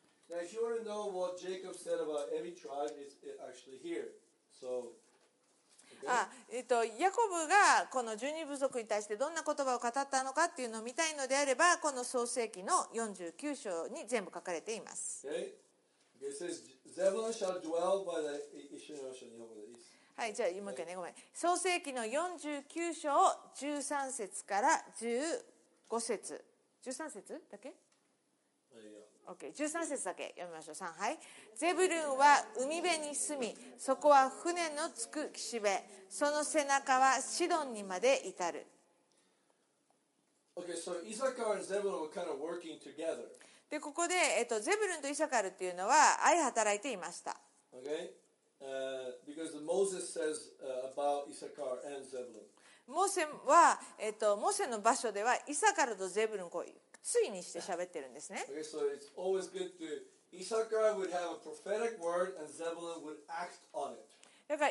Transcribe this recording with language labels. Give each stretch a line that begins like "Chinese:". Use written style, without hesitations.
English: Now, if you want to know what Jacob said about every tribe, it's actually here. So.
Japanese: ヤコブがこの十二部族に対してどんな言葉を語ったのかっていうのを見たいのであれば、この創世記の49章に全部書かれています。
English: Okay. It says, Zebulun shall dwell by the Ishmaelites.
Japanese: はい、じゃあ読むかね、ごめん。創世記の49章13節から15節、13節だけ、13節だけ読みましょう。3、はい。ゼブルンは海辺に住み、そこは船の着く岸辺、その背中はシドンにまで至る。
English: Okay, so Issachar and Zebulun were kind of working together.
Japanese: で、ここで、ゼブルンとイサカルっていうのは相働いていました。
English: Okay? Because Moses says about Issachar and Zebulun.
Japanese: モーセは、モーセの場所ではイサカルとゼブルンこういう。ついにして喋ってるんですね。だから